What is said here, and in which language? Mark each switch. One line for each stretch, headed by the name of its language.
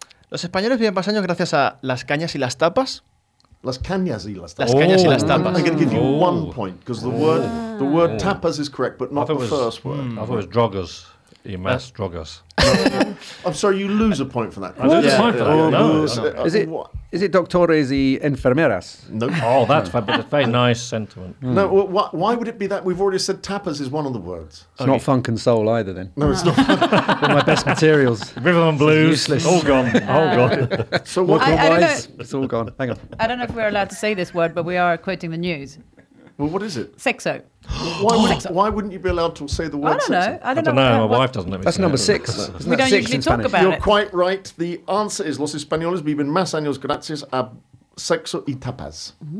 Spanish: Los españoles viven más años gracias a las cañas y las tapas. Las cañas y las tapas. Las cañas y las tapas.
English: I'm going to give you 1 point, because the word tapas is correct, but not the first word. I thought it was drogas.
Spanish: Y más drogas.
English: I'm sorry, you lose a point for that. I lose a point for that. No.
Spanish: Is it doctores y enfermeras?
English: No. Nope. Oh, that's fine, but a very nice sentiment. No, why would it be that? We've already said tapas is one of the words. It's not funk and soul either, then. No, it's not. One of my best materials. Rhythm and blues. It's all gone. All gone. So what? Otherwise, it's all gone. Hang on. I don't know if we're allowed to say this word, but we are quoting the news. Well, what is it?
Spanish: Sexo.
English: Why wouldn't you be allowed to say the word sexo? I don't know. My wife doesn't let me. That's number six. We don't usually talk about it. You're quite right. The answer is
Spanish: Los Españoles viven más años gracias a sexo y tapas.